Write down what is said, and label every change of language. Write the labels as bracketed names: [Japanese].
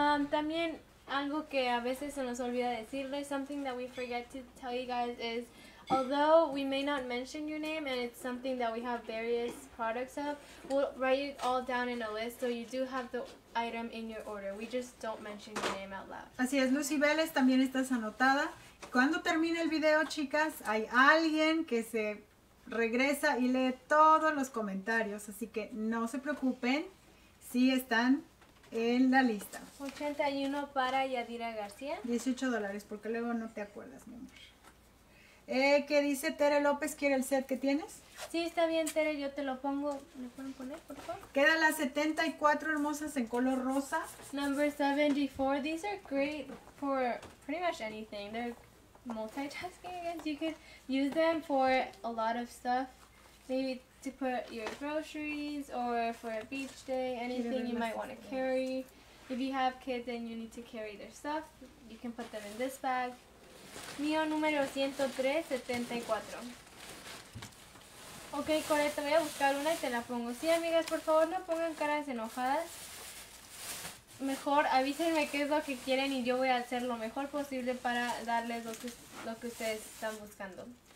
[Spanish] También algo que a veces se nos olvida decirles, [English] something that we forget to tell you guys is, although we may not mention your name and it's something that we have various products of, we'll write it all down in a list so you do have the item in your order. We just don't mention your name out loud. [Spanish] Así es, Lucy Vélez, también estás anotada. Cuando termine el video, chicas, hay alguien que se regresa y lee todos los comentarios. Así que no se preocupen si están en la lista. 81 para Yadira García. $18, porque luego no te acuerdas, mi amor. ¿Qué dice Tere López? ¿Quiere el set que tienes? Sí, está bien, Tere, yo te lo pongo. ¿Me pueden poner, por favor? Queda la 74, hermosas, en color rosa. [English] Number 74. These are great for pretty much anything. They're multitasking, I guess. You could use them for a lot of stuff. Maybe to put your groceries or for a beach day, anything you might want to carry. If you have kids and you need to carry their stuff, you can put them in this bag. [Spanish] Mío número 103, 74. Ok, Coreta, voy a buscar una y te la pongo. Sí, amigas, por favor, no pongan caras enojadas. Mejor avísenme qué es lo que quieren y yo voy a hacer lo mejor posible para darles lo que ustedes están buscando.